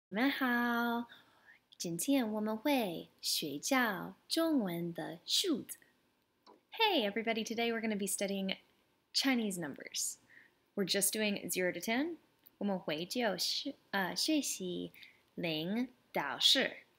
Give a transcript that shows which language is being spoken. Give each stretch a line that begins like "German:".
Chinese: 你们好，今天我们会学教中文的数字。
English: Hey everybody, today we're going to be studying Chinese numbers. We're just doing 0 to 10.
Chinese: 我们会就是学习零到十。